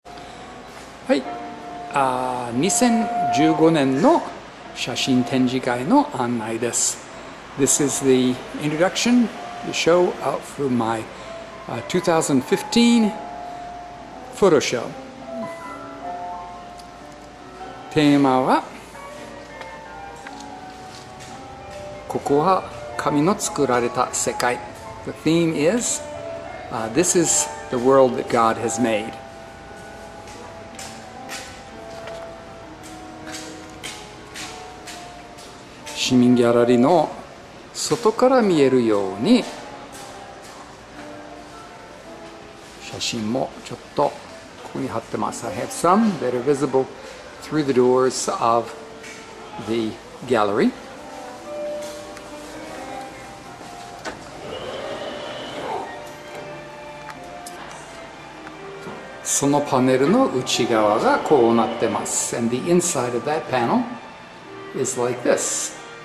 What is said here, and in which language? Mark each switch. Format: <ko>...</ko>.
<ja>はい、あ、2015年の写真展示会の案内です。</ja> <en>This is the introduction, the show out for my 2015 photo show.</en> <ja>テーマは、ここは神の作られた世界。</ja> <en>The theme is、This is the world that God has made.</en> <ja>市民ギャラリーの外から見えるように写真もちょっとここに貼ってます。</ja> <en>I have some that are visible through the doors of the gallery.</en> <ja>そのパネルの内側がこうなってます。</ja> <en>And the inside of that panel is like this.</en>